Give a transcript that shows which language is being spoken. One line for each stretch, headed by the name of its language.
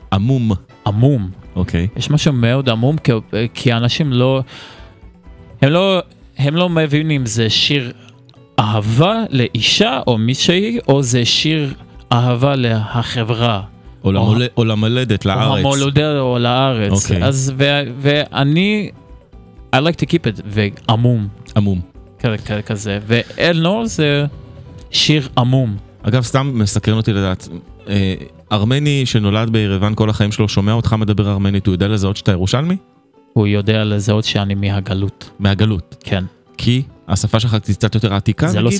Hebrew: עמום. עמום. אוקיי. יש משהו מאוד עמום, כי אנשים לא, הם לא, הם לא מבינים אם זה שיר אהבה לאישה או מישהי, או זה שיר אהבה להחברה. או למולדת, לארץ. או המולדת או לארץ. אוקיי. אז ואני,
English: I like to keep it vague, עמום.
Hebrew: עמום. כזה. ואל נור זה שיר עמום. אגב, סתם מסקרן אותי לדעת, ארמני שנולד בירוון כל החיים שלו, שומע אותך מדבר ארמנית, הוא יודע לזהות שאתה ירושלמי? הוא יודע לזהות שאני מהגלות. מהגלות? כן. כי השפה שלך קצת יותר עתיקה, זה נגיד?